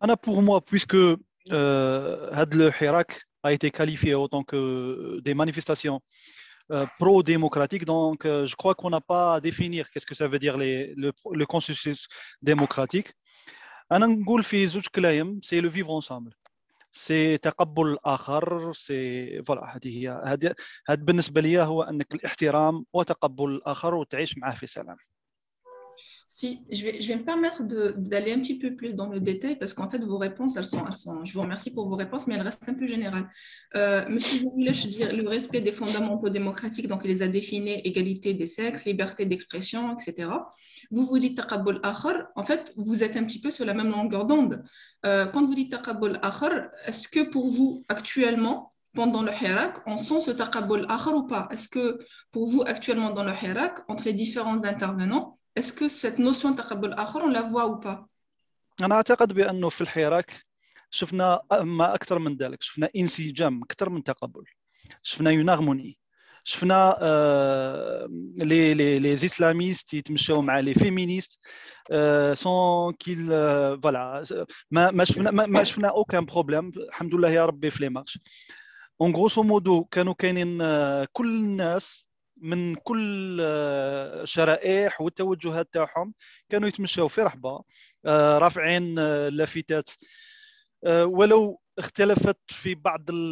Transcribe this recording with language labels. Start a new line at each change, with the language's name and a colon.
French: Anna, pour moi, puisque Had le Hirak a été qualifié en tant que des manifestations pro-démocratiques, donc je crois qu'on n'a pas à définir qu'est-ce que ça veut dire le consensus démocratique.
Arabic: Anna Ngoul fi zouj klayem,
French: c'est le vivre ensemble.
Arabic: C'est taqabbul akhar,
French: c'est voilà,
Arabic: had بالنسبه ليا هو انك الاحترام وتقبل الاخر وتعيش معاه في سلام.
French: Si, je vais me permettre d'aller un petit peu plus dans le détail parce qu'en fait, vos réponses, elles sont, je vous remercie pour vos réponses, mais elles restent un peu générales. Monsieur Zemilech, dire le respect des fondamentaux démocratiques, donc il les a définis, égalité des sexes, liberté d'expression, etc. Vous dites taqabbul akhar, en fait, vous êtes un petit peu sur la même longueur d'onde. Quand vous dites taqabbul akhar, est-ce que pour vous, actuellement, pendant le Hirak, on sent ce taqabbul akhar ou pas? Est-ce que pour vous, actuellement, dans le Hirak, entre les différents intervenants, est-ce que cette notion taqabbul akhar on la voit ou pas?
Arabic: انا اعتقد بانه في الحراك شفنا ما اكثر من ذلك شفنا انسجام اكثر من تقبل شفنا يناغموني شفنا
French: les islamistes
Arabic: يتمشاو مع
French: les féministes sans qu'il voilà
Arabic: ما شفنا
French: aucun problème
Arabic: الحمد لله يا ربي في لي مارش
French: en grosso modo
Arabic: كانوا كاينين كل الناس من كل شرائح والتوجهات تاعهم كانوا يتمشوا في رحبة رافعين لافتات ولو اختلفت في بعض